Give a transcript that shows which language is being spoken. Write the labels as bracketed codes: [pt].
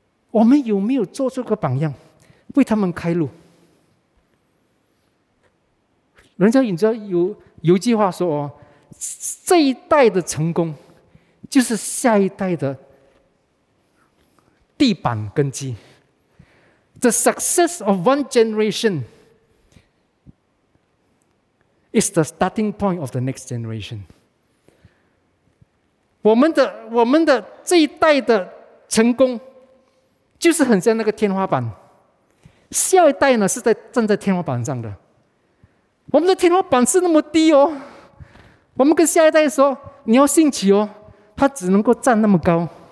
[zh] 我们有没有做出个榜样，为他们开路？人家你知道有一句话说哦，这一代的成功，就是下一代的地板根基。 [en] The success of one generation is the starting point of the next generation. [zh] 我们的这一代的成功，就是很像那个天花板。下一代呢是在站在天花板上的。我们的天花板是那么低哦，我们跟下一代说你要兴起哦，他只能够站那么高。